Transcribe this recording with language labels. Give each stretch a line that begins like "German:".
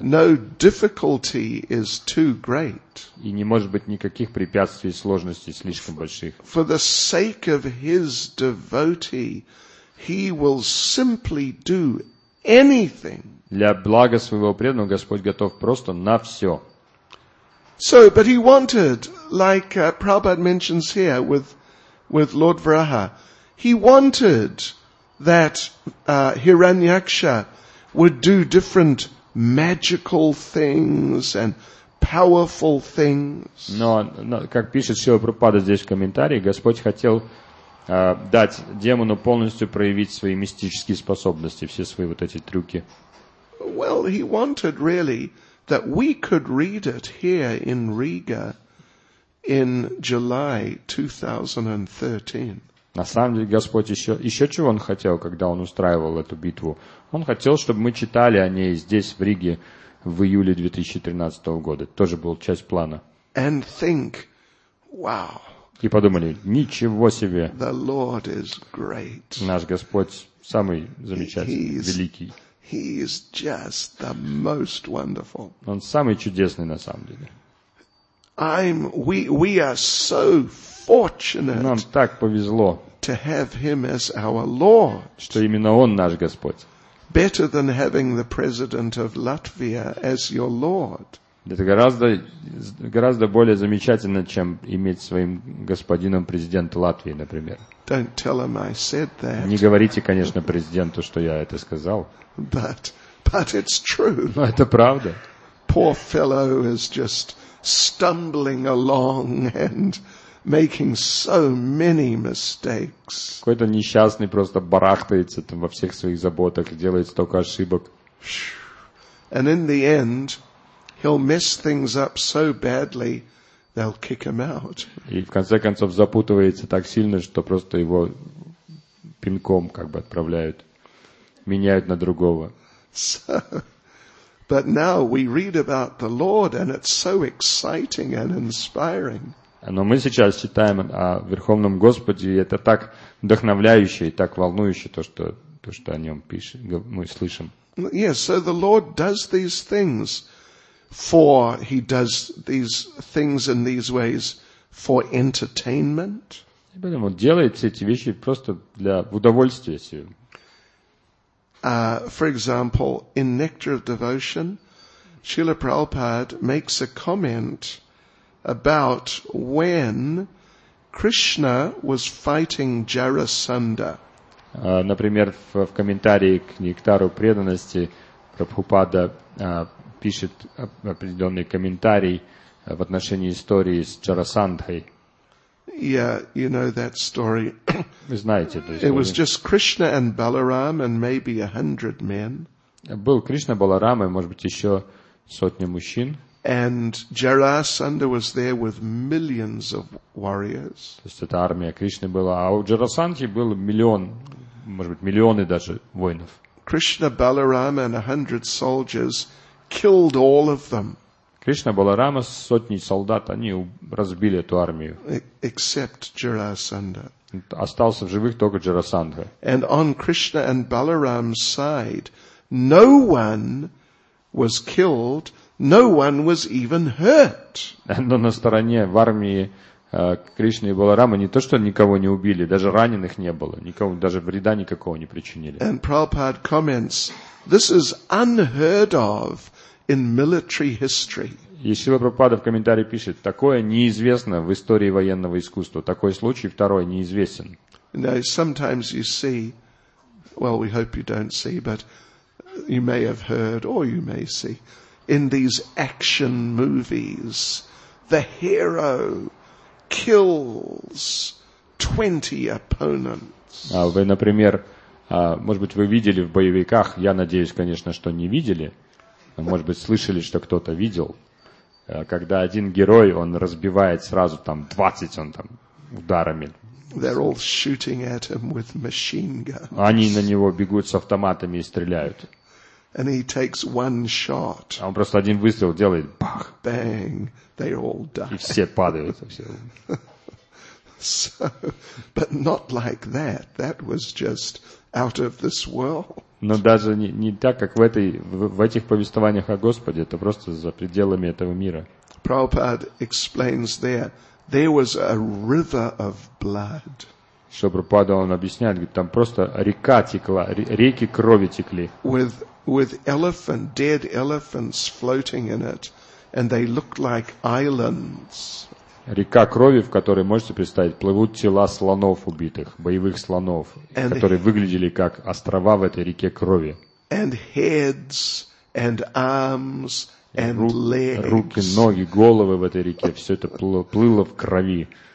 English: No difficulty is too great.
Russian: И не может быть никаких препятствий и сложностей слишком больших.
English: For the sake of his devotee, he will simply do anything.
Russian: Для блага своего преданного Господь готов просто на все.
English: So, but he wanted, like Prabhupada mentions here with Lord Varaha, he wanted that Hiranyaksha would do different magical things and powerful things.
Russian: Но как пишет Шрила Прабхупада здесь в комментарии, Господь хотел дать демону полностью проявить свои мистические способности, все свои вот эти трюки.
English: Well, he wanted really that we could read it here in Riga in July 2013.
Russian: На самом деле, Господь еще чего он хотел, когда он устраивал эту битву? Он хотел, чтобы мы читали о ней здесь, в Риге, в июле 2013 года. Тоже был часть плана.
English: And think, wow.
Russian: И подумали, ничего себе.
English: The Lord is great.
Russian: Наш Господь самый замечательный, великий.
English: He is just the most wonderful.
Russian: Он самый чудесный на самом деле.
English: We are so fortunate.
Russian: Нам так повезло.
English: To have him as our Lord.
Russian: Что именно он наш Господь.
English: Better than having the president of Latvia as your Lord.
Russian: Это гораздо более замечательно, чем иметь своим господином президента Латвии, например.
English: Don't tell him I said that.
Russian: Не говорите, конечно, президенту, что я это сказал.
English: But it's true.
Russian: Но это правда.
English: Poor fellow is just stumbling along and making so many mistakes.
Russian: Какой-то несчастный просто барахтается там во всех своих заботах, делает столько ошибок. And in the end, he'll mess things up so badly, they'll kick him out. И в конце концов запутывается так сильно, что просто его пинком как бы отправляют. Меняют на другого.
English: So, but now we read about the Lord, and it's so exciting and inspiring.
Russian: Но мы сейчас читаем о Верховном Господе, и это так вдохновляюще и так волнующе то, что о нем пишет, мы слышим.
English: Yes, so the Lord does these things for he does these things in these ways for entertainment.
Russian: И поэтому делает все эти вещи просто для удовольствия себе.
English: For example, in Nectar of Devotion, Srila Prabhupada makes a comment about when Krishna was fighting Jarasandha.
Russian: Например, в комментарии к Нектару преданности Прабхупада пишет определенный комментарий в отношении истории с Джарасандхой.
English: Yeah, you know that story.
Russian: Вы знаете эту историю.
English: It was just Krishna and Balaram and maybe 100 men.
Russian: Был Кришна, Баларама и, может быть, еще сотня мужчин.
English: And Jarasandha was there with millions of warriors.
Russian: То есть это армия Кришны была, а у Джарасандхи был миллион, может быть, миллионы даже воинов.
English: Krishna, Balarama and 100 soldiers killed all of them.
Russian: Кришна, Баларама, сотни солдат, они разбили эту армию.
English: Except Jarasandha.
Russian: Остался в живых только Джарасандха.
English: And on Krishna and Balaram's side, no one was killed, no one was even hurt.
Russian: Но на стороне, в армии Кришны и Баларамы, не то что никого не убили, даже раненых не было, никого, даже вреда никакого не причинили.
English: And Prabhupada comments, this is unheard of. In military history.
Russian: И Шрила Прабхупада в комментарии пишет, такое неизвестно в истории военного искусства. Такой случай, второй, неизвестен.
English: Now, sometimes you see, well, we hope you don't see, but you may have heard, or you may see, in these action movies, the hero kills 20 opponents.
Russian: Вы, например, может быть, вы видели в боевиках, я надеюсь, конечно, что не видели, но, может быть, слышали, что кто-то видел, когда один герой, он разбивает сразу там 20 он там ударами.
English: They're all shooting at him with machine guns.
Russian: Они на него бегут с автоматами и стреляют.
English: And he takes one shot.
Russian: А он просто один выстрел делает, бах.
English: Bang, they all die.
Russian: И все падают. Все.
English: So, but not like that. That was just out of this world.
Russian: Но даже не так, как в этих повествованиях о Господе, это просто за пределами этого мира.
English: Prabhupada explains there. There was a river of blood.
Russian: Что Прабхупада он объясняет, говорит, там просто река текла, реки крови текли.
English: With elephant, dead elephants floating in it, and they looked like islands.
Russian: Река крови, в которой, можете представить, плывут тела слонов убитых, боевых слонов, and которые выглядели как острова в этой реке крови.
English: And heads and arms. And legs.
Russian: Руки, ноги, головы в этой реке, все это плыло в крови.